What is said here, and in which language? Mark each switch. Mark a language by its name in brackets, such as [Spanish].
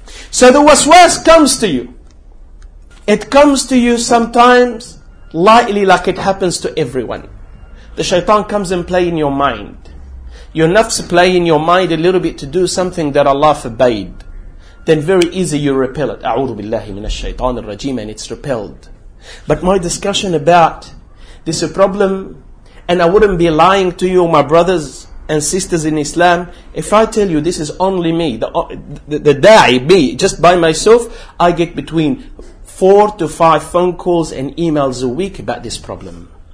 [English] So the waswas comes to you. It comes to you sometimes lightly, like it happens to everyone. The shaitan comes and play in your mind. Your nafs play in your mind a little bit to do something that Allah forbade. Then very easy you repel it. [Arabic] أعوذ بالله من الشيطان الرجيم, [English] and it's repelled. But my discussion about this problem, and I wouldn't be lying to you, my brothers and sisters in Islam, if I tell you this is only me, the da'i, just by myself, I get between 4 to 5 phone calls and emails a week about this problem.